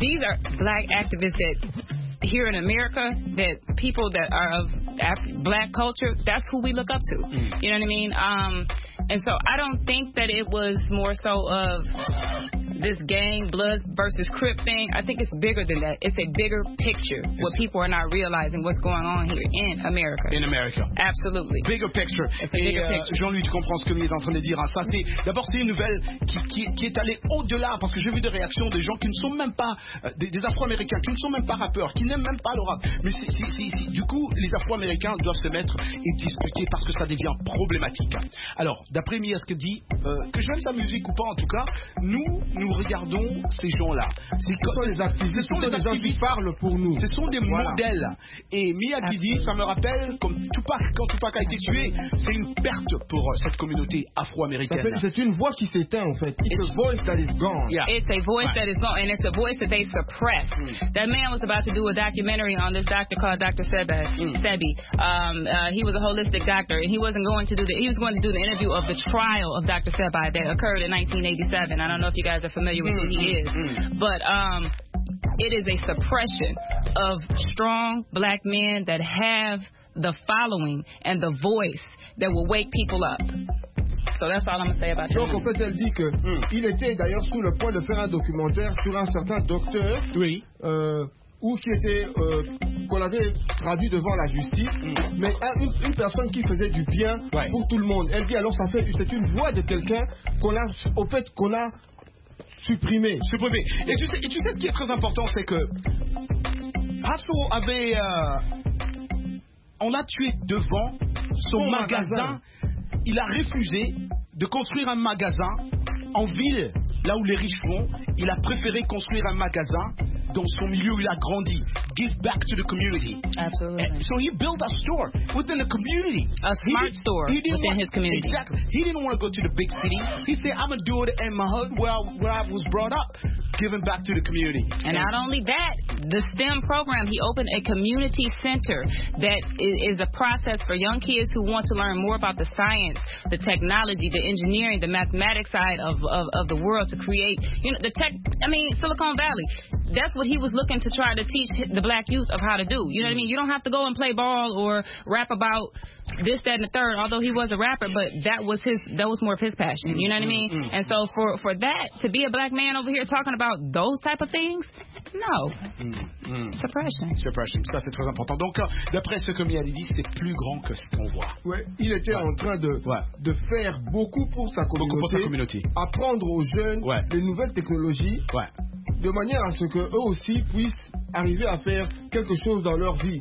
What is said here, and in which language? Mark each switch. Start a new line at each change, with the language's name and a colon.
English: These are black activists that here in America, that people that are of black culture, that's who we look up to. You know what I mean? And so I don't think that it was more so of this gang blood versus crip thing. I think it's bigger than that. It's a bigger picture. What people are not realizing what's going on here in America. In America. Absolutely. Bigger picture.
French: Et Jean-Louis, tu comprends ce que Mia est en train de dire. Ça, c'est, d'abord, c'est une nouvelle qui est allée au-delà parce que j'ai vu des réactions des gens qui ne sont même pas, des Afro-Américains, qui ne sont même pas rappeurs, qui n'aiment même pas le rap. Mais si. Du coup, les Afro-Américains doivent se mettre et discuter parce que ça devient problématique. Alors, d'après Mia, ce que dit, que j'aime sa musique ou pas, en tout cas, nous regardons ces gens-là. Ce sont des activistes qui parlent pour nous. Ce sont des modèles. Et Mia qui dit, ça me rappelle, comme Tupac, quand Tupac a été tué, c'est une perte pour cette communauté afro-américaine. C'est une voix qui s'éteint, en fait.
English: It's a voice that is gone. Yeah. It's a voice that is gone, and it's a voice that they suppress. Mm. That man was about to do a documentary on this doctor called Dr. Sebi. He was a holistic doctor, and he was going to do the interview of the trial of Dr. Sebi that occurred in 1987. I don't know if you guys are familiar with who he is. But it is a suppression of strong black men that have the following and the voice that will wake people up. So that's all I'm going to say about that.
French: Donc, en fait, elle dit qu'il était d'ailleurs sous le point de faire un documentaire sur un certain docteur. Oui. Ou qui était, qu'on avait traduit devant la justice, mais une personne qui faisait du bien pour tout le monde. Elle dit alors, c'est une voix de quelqu'un qu'on a supprimé. Supprimé. Et tu sais ce qui est très important, c'est que Hasso avait. On l'a tué devant son magasin. Il a refusé de construire un magasin en ville, là où les riches vont. Il a préféré construire un magasin dans son milieu où il a grandi.
English: Give back to the community. Absolutely. And so he built a store within the community. A smart store within his community. Exactly. He didn't want to go to the big city. He said, I'm going to do it in my hood where I was brought up. Giving back to the community. And not only that, the STEM program, he opened a community center that is a process for young kids who want to learn more about the science, the technology, the engineering, the mathematics side of the world to create, you know, Silicon Valley. That's what he was looking to try to teach the black youth of how to do. You know what I mean? You don't have to go and play ball or rap about this, that, and the third, although he was a rapper, but that was more of his passion. You know what I mean? Mm-hmm. And so for that, to be a black man over here talking about those type of things, no. Mm-hmm. Suppression.
French: Ça, c'est très important. Donc, d'après ce que Mia dit, c'est plus grand que ce qu'on voit. Oui, il était en train de faire beaucoup pour sa communauté. Apprendre aux jeunes les nouvelles technologies. Ouais. de manière à ce qu'eux aussi puissent arriver à faire quelque chose dans leur vie.